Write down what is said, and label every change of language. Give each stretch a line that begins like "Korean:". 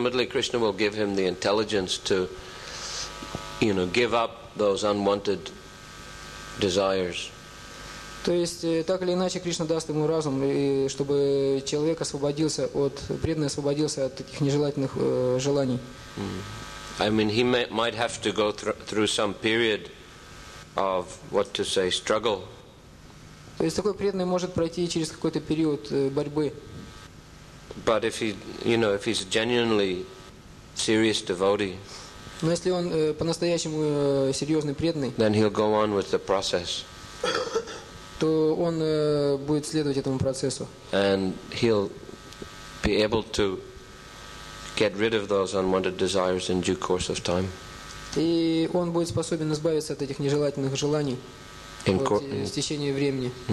English: Krishna will give him the intelligence to give up those unwanted desires.
Russian: То есть так или иначе Кришна даст ему разум, и чтобы человек освободился от преданный освободился от таких нежелательных желаний.
English: I mean, he might have to go through some period of struggle.
Russian: То есть такой преданный может пройти через какой-то период борьбы.
English: But if he, if he's a genuinely serious devotee.
Russian: Но если он по-настоящему серьезный преданный,
English: then he'll go on with the process.
Russian: То он будет следовать этому процессу.
English: And he'll be able to get rid of those unwanted desires in due course of time.
Russian: И он будет способен избавиться от этих нежелательных желаний в течение времени.